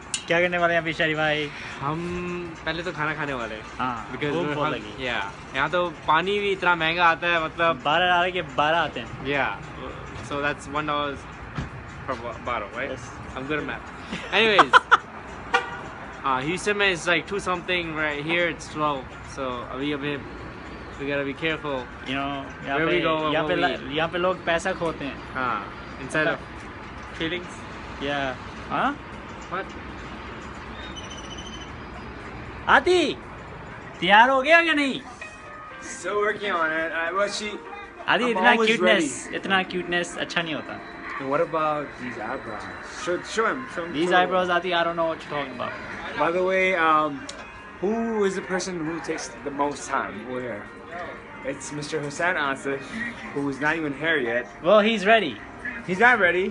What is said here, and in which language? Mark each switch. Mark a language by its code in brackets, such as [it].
[hi] क्या करने वाले हैं बिशारी भाई? हम पहले तो खाना खाने वाले. हाँ. [en] Because [hi] भूख लगी. [en] Yeah. [hi] यहाँ तो पानी भी इतना महंगा आता है. मतलब 12 डॉलर के 12 आते हैं. [en] Yeah. So that's $1 per bottle, right? Yes. I'm good at math. Anyways. Houston man is like 2 something right here. It's 12, so we gotta be careful. You know, where we go, [hi] यहाँ पे लोग पैसा खोते हैं. [en] हाँ, inside of feelings. Yeah. हाँ? What? [hi] Aati, तैयार हो गया क्या नहीं? [en] Still working on it. [hi] Aati, इतना cuteness अच्छा नहीं होता. [en] What about these eyebrows? Show him. These eyebrows, Aati, I don't know what you're talking about. By the way, who is the person who takes the most time here? It's Mr. Hussein Ansar, who is not even here yet. Well, he's ready. He's not ready.